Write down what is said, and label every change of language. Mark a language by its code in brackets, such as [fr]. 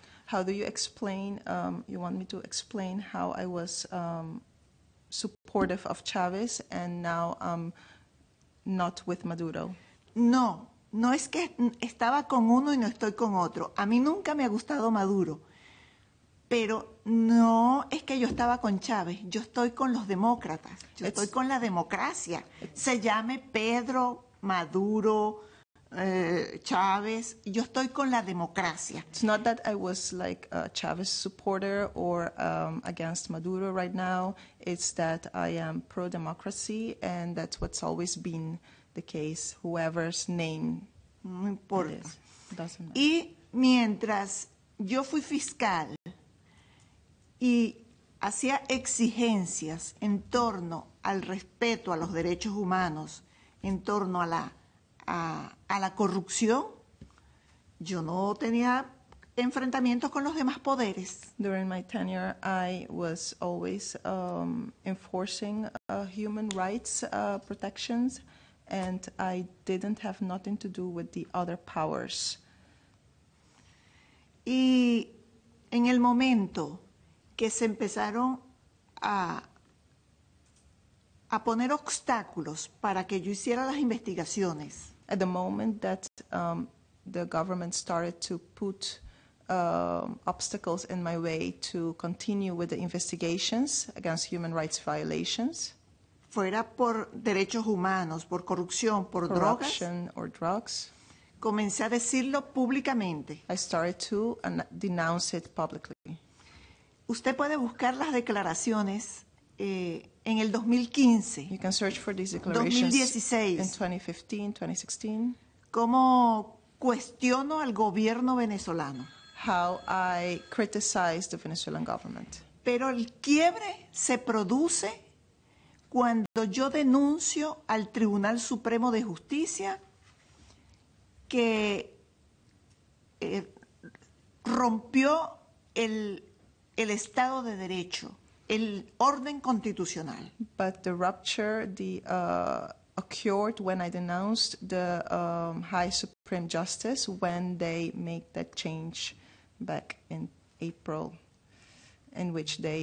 [en] How do you explain, you want me to explain how I was supportive of Chávez and now I'm not with Maduro? [es] No, no es que estaba con uno y no estoy con otro. A mí nunca me ha gustado Maduro. Pero no es que yo estaba con Chávez, yo estoy con los demócratas, yo estoy con la democracia. Se llame Pedro, Maduro, Chávez, yo estoy con la democracia. [en] It's not that I was like a Chávez supporter or against Maduro right now. It's that I am pro-democracy and that's what's always been the case, whoever's name. [es] No importa. [en] It is. Doesn't matter. [es] Y mientras yo fui fiscal y hacía exigencias en torno al respeto a los derechos humanos, en torno a la corrupción, yo no tenía enfrentamientos con los demás poderes. [en] During my tenure, I was always enforcing human rights protections, and I didn't have nothing to do with the other powers. [es] Y en el momento que se empezaron a poner obstáculos para que yo hiciera las investigaciones. [en] At the moment that the government started to put obstacles in my way to continue with the investigations against human rights violations. [es] Fuera por derechos humanos, por corrupción, por [en] corruption [es] drogas. [en] Or drugs. [es] Comencé a decirlo públicamente. [en] I started to denounce it publicly. [es] Usted puede buscar las declaraciones en el 2015. [en] You can search for these declarations. [es] 2016. [en] In 2015, 2016. [es] ¿Cómo cuestiono al gobierno venezolano? [en] How I criticize the Venezuelan government. [es] Pero el quiebre se produce cuando yo denuncio al Tribunal Supremo de Justicia que rompió el Estado de Derecho, el orden constitucional. [en] But the rupture occurred when I denounced the High Supreme Justice when they make that change back in April, in which